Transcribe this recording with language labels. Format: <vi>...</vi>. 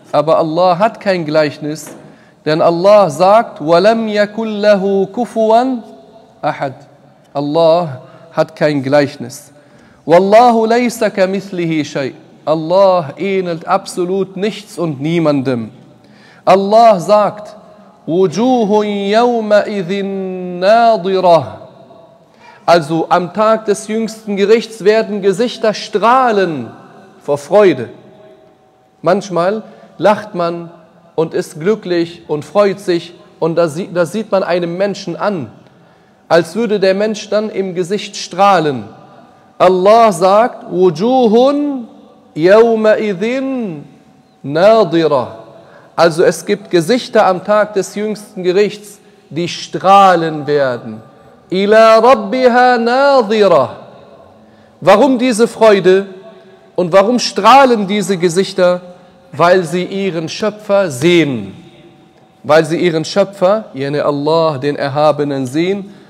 <de>Aber Allah hat kein Gleichnis, denn Allah sagt:</de> <ar>وَلَمْ يَكُلْ لَهُ كُفُوًا أَحَدٌ.</ar> <de>Allah hat kein Gleichnis.</de> <ar>وَاللَّهُ لَيْسَ كَمِثْلِهِ شَيْءٌ.</ar> <de>Allah ähnelt absolut nichts und niemandem. Allah sagt:</de> <ar>وُجُوهٌ يَوْمَئِذٍ نَاضِرَةٌ.</ar> <de>Also am Tag des jüngsten Gerichts werden Gesichter strahlen vor Freude. Manchmal lacht man und ist glücklich und freut sich, und da sieht man einem Menschen an, als würde der Mensch dann im Gesicht strahlen. Allah sagt:</de> <ar>وُجُوهٌ يَوْمَئِذٍ نَاضِرَةٌ.</ar> <de>Also es gibt Gesichter am Tag des jüngsten Gerichts, die strahlen werden.</de> <ar>إِلَى رَبِّهَا نَاظِرَةٌ.</ar> <de>Warum diese Freude und warum strahlen diese Gesichter? Weil sie ihren Schöpfer sehen. Weil sie ihren Schöpfer, jene Allah, den Erhabenen, sehen.</de>